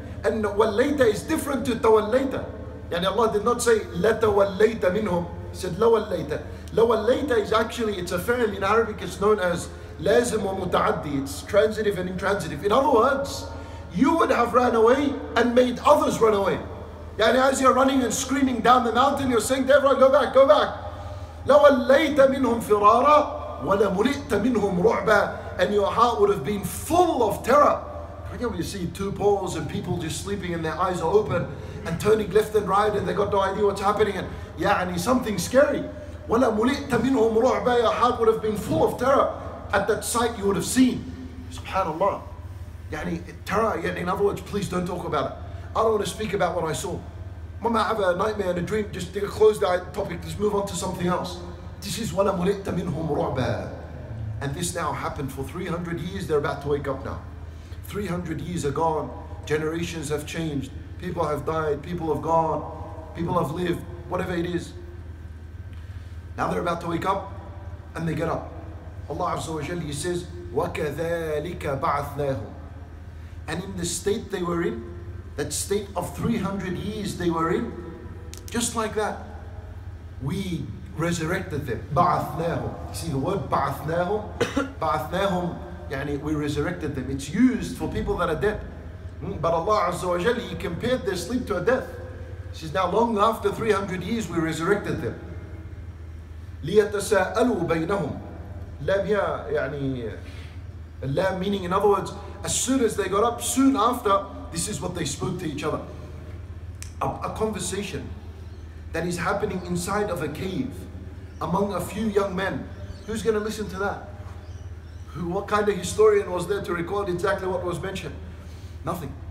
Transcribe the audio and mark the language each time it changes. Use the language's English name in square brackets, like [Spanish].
[English] And وَلَّيْتَ is different to تَوَلَّيْتَ. يعني Allah did not say, [Arabic] لَتَوَلَّيْتَ مِنْهُمْ. [English] He said, لَوَلَّيْتَ. لَوَلَّيْتَ is actually, it's a fa'il in Arabic, it's known as [Arabic] لازم ومتعدي, [English] it's transitive and intransitive. In other words, you would have ran away and made others run away. يعني as you're running and screaming down the mountain, you're saying to everyone, go back, go back. [Arabic] لوليت منهم فرارا ولملئت منهم رعبا. [English] And your heart would have been full of terror. Can you see two poles and people just sleeping and their eyes are open and turning left and right and they got no idea what's happening. And يعني something scary. [Arabic] ولملئت منهم رعبا. [English] Your heart would have been full of terror. At that sight you would have seen, subhanAllah, يعني terror, يعني in other words, please don't talk about it. I don't want to speak about what I saw. I might have a nightmare and a dream, just close that topic, just move on to something else. This is [Arabic] وَلَا مُلِئْتَ مِنْهُمْ رُعْبًا. [English] And this now happened for 300 years, they're about to wake up now. 300 years are gone, generations have changed, people have died, people have gone, people have lived, whatever it is. Now they're about to wake up and they get up. Allah Azza wa Jalla, he says, [Arabic] وَكَذَٰلِكَ بَعَثْنَاهُمْ. [English] And in the state they were in, that state of 300 years they were in, just like that, we resurrected them. [Arabic] بَعَثْنَاهُمْ. [English] See the word بَعَثْنَاهُمْ? بَعَثْنَاهُمْ, يعني we resurrected them. It's used for people that are dead. But Allah Azza wa Jalla, he compared their sleep to a death. He says, now long after 300 years, we resurrected them. [Arabic] لِيَتَسَاءَلُوا بَيْنَهُمْ. لم يعني [English] Allah, meaning in other words, as soon as they got up, soon after, this is what they spoke to each other. A conversation that is happening inside of a cave among a few young men. Who's going to listen to that? What kind of historian was there to record exactly what was mentioned? Nothing.